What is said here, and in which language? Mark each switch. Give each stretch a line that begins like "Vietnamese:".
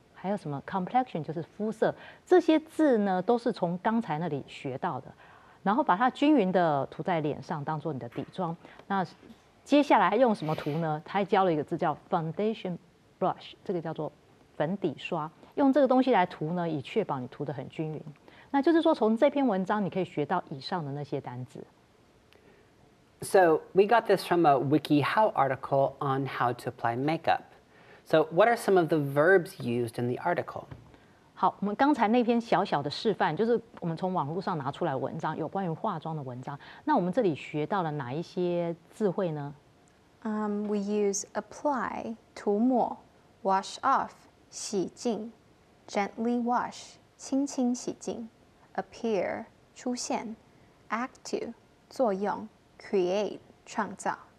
Chinese: 还有什么 complexion 就是肤色，这些字呢都是从刚才那里学到的，然后把它均匀的涂在脸上，当做你的底妆。那接下来用什么涂呢？他还教了一个字叫 foundation brush， 这个叫做粉底刷，用这个东西来涂呢，以确保你涂得很均匀。那就是说，从这篇文章你可以学到以上的那些单字。
English: So we got this from a WikiHow article on how to apply makeup. So, what are some of the verbs used in the article?
Chinese: 好，我们刚才那篇小小的示范，就是我们从网络上拿出来文章，有关于化妆的文章。那我们这里学到了哪一些字汇呢？
English: We use apply 涂抹 ，wash off 洗净 ，gently wash 轻轻洗净 ，appear 出现 ，act to 作用 ，create 创造。